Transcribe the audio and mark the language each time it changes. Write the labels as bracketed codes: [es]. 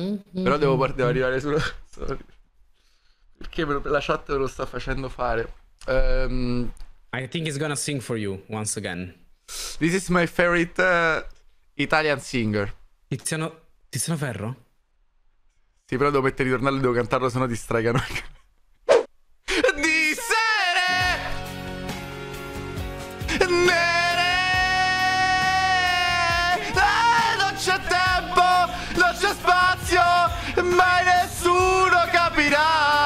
[it] Però devo partire, arrivare sulla. [en] Sorry. [it] Perché la chat lo sta facendo fare. [en] I think he's gonna sing for you once again. This is my favorite Italian singer. [it] Tiziano Ferro? Sì, però devo mettere i tornelli, devo cantarlo, sennò ti stregano. Di sere nere, non c'è tempo, non c'è spazio, mai nessuno capirà.